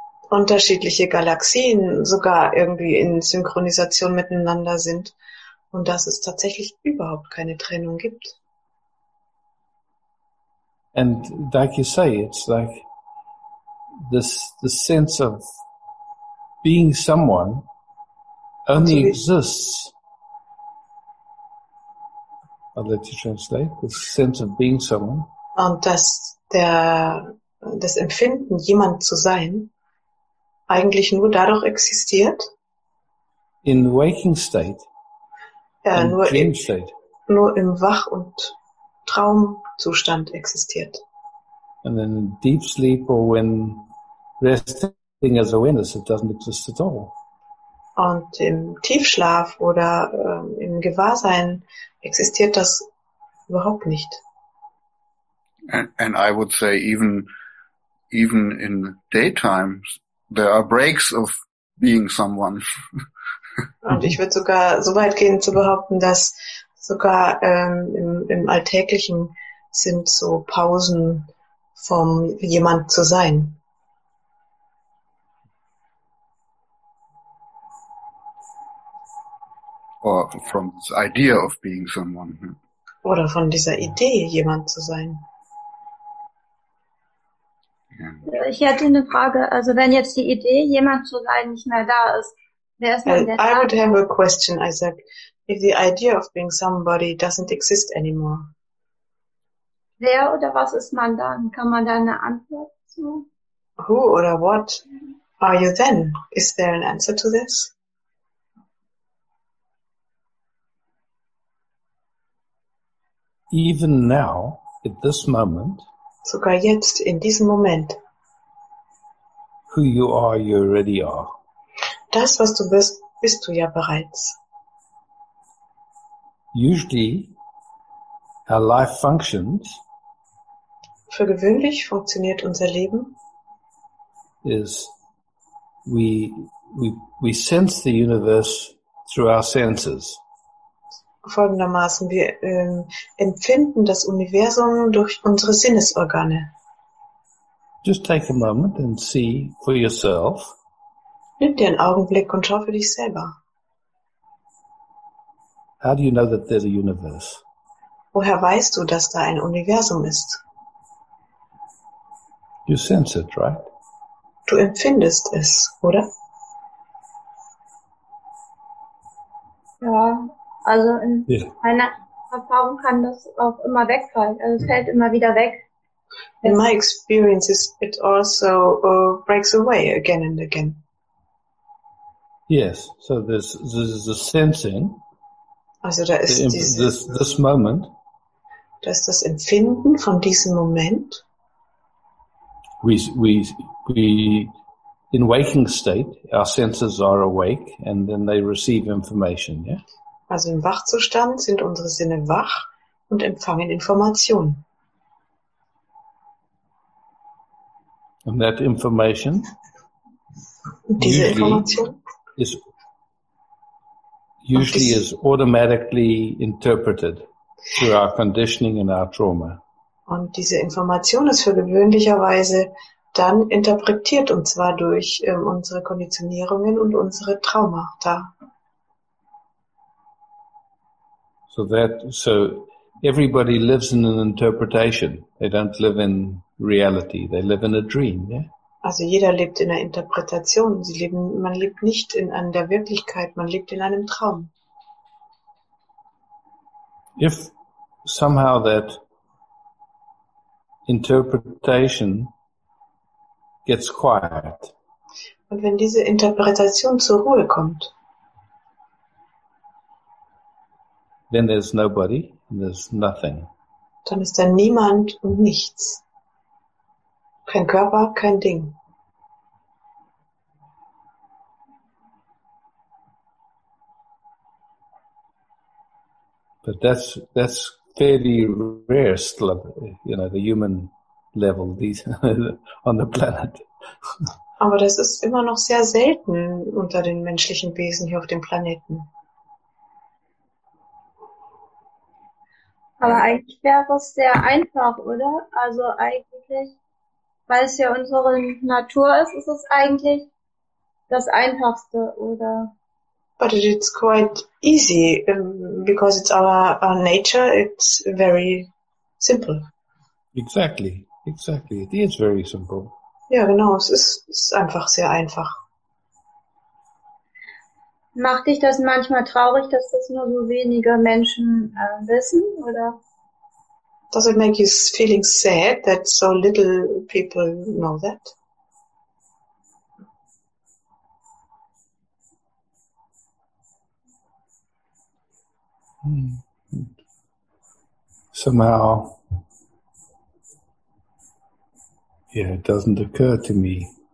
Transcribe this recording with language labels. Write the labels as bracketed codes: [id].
[de] Unterschiedliche Galaxien sogar irgendwie in Synchronisation miteinander sind und dass es tatsächlich überhaupt keine Trennung gibt. [en] And like you say, it's like this sense of being someone only exists. I'll let you translate. The sense of being someone. [de] Und dass das Empfinden, jemand zu sein, eigentlich nur dadurch existiert. [en] In waking state. [de] Ja, nur [en] dream state. [de] Nur im Wach- und Traumzustand existiert. [en] And then in deep sleep or when resting as awareness, it doesn't exist at all. [de] Und im Tiefschlaf oder im Gewahrsein existiert das überhaupt nicht. [en] And I would say even in daytime, there are breaks of being someone. [de] Und ich würde sogar so weit gehen zu behaupten, dass sogar im Alltäglichen sind so Pausen vom jemand zu sein. [en] Or from this idea of being someone. [de] Oder von dieser Idee, jemand zu sein. Ich hätte eine Frage, also wenn jetzt die Idee, jemand zu sein, nicht mehr da ist, wer ist dann der [en] I would have a question, Isaac. If the idea of being somebody doesn't exist anymore. [de] Wer oder was ist man dann? Kann man da eine Antwort zu? [en] Who or what are you then? Is there an answer to this? Even now, at this moment, [de] sogar jetzt, in diesem Moment, [en] who you are, you already are. [de] Das, was du bist, bist du ja bereits. [en] Usually, our life functions, [de] für gewöhnlich funktioniert unser Leben, [en] is we sense the universe through our senses. [de] Folgendermaßen, wir empfinden das Universum durch unsere Sinnesorgane. [en] Just take a moment and see for yourself. [de] Nimm dir einen Augenblick und schau für dich selber. [en] How do you know that there's a universe? [de] Woher weißt du, dass da ein Universum ist? [en] You sense it, right? [de] Du empfindest es, oder? Ja. Also in meiner Erfahrung kann das auch immer wegfallen. Also es fällt immer wieder weg. [en] In my experience, it also breaks away again and again. Yes, so this is a sensing. [de] Also da ist [en] this moment. [de] Das ist das Empfinden von diesem Moment. [en] We in waking state, our senses are awake and then they receive information, yeah? [de] Also im Wachzustand sind unsere Sinne wach und empfangen Informationen. [en] And that information, [de] diese Information [en] is automatically interpreted through our conditioning and our trauma. [de] Und diese Information ist für gewöhnlicherweise dann interpretiert und zwar durch unsere Konditionierungen und unsere Traumata. [en] So everybody lives in an interpretation. They don't live in reality. They live in a dream, yeah? [de] Also jeder lebt in der Interpretation. Man lebt nicht in an der Wirklichkeit, man lebt in einem Traum. [en] If somehow that interpretation gets quiet. [de] Und wenn diese Interpretation zur Ruhe kommt, [en] then there's nobody and there's nothing. [de] Dann ist da niemand und nichts. Kein Körper, kein Ding. [en] But that's fairly rare still, you know, the human level these on the planet. [de] Aber das ist immer noch sehr selten unter den menschlichen Wesen hier auf dem Planeten. Aber eigentlich wäre es sehr einfach, oder? Also eigentlich, weil es ja unsere Natur ist, ist es eigentlich das Einfachste, oder? [en] But it's quite easy, because it's our nature, it's very simple. Exactly. It is very simple. [de] Ja, genau, es ist einfach sehr einfach. Macht dich das manchmal traurig, dass das nur so wenige Menschen wissen, oder? [en] Does it make you feeling sad that so little people know that? Somehow, yeah, it doesn't occur to me.